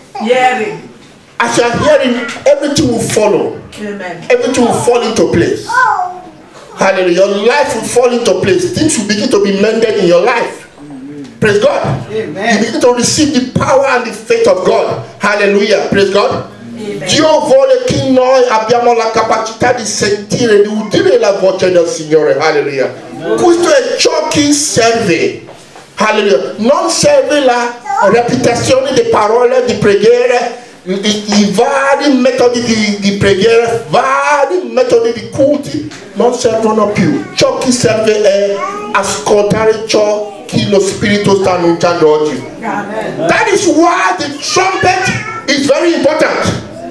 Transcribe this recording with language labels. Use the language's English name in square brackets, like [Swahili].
[English] hearing. As you are hearing, everything will follow. Amen. Everything will fall into place. Oh. Hallelujah. Your life will fall into place. Things will begin to be mended in your life. Praise God. Amen. You begin to receive the power and the faith of God. Hallelujah. Praise God. [Italian] Dio vuole che noi abbiamo la capacità di sentire, di udire la voce del Signore. Hallelujah. Amen. Questo è ciò che serve. Hallelujah. Non serve la reputazione di parole, di preghiere, i vari metodi di preghiera, vari metodi di culti, non servono più. Ciò che serve è ascoltare ciò che lo Spirito sta annunciando oggi. Amen. [English] That is why the trumpet is very important.